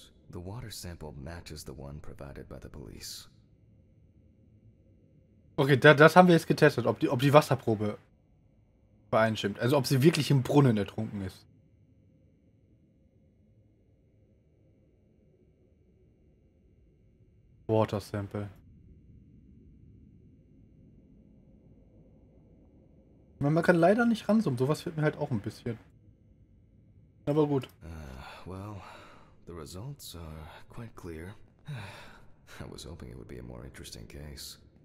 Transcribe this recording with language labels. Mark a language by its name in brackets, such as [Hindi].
[English] The water sample matches the one provided by the police. [German] Okay, das haben wir jetzt getestet, ob die Wasserprobe übereinstimmt. Also ob sie wirklich im Brunnen ertrunken ist. [English] Water Sample. [German] Man kann leider nicht ranzoomen. Sowas fehlt mir halt auch ein bisschen. Aber gut. [English] Well, the results are quite clear. I was hoping it would be a more interesting case.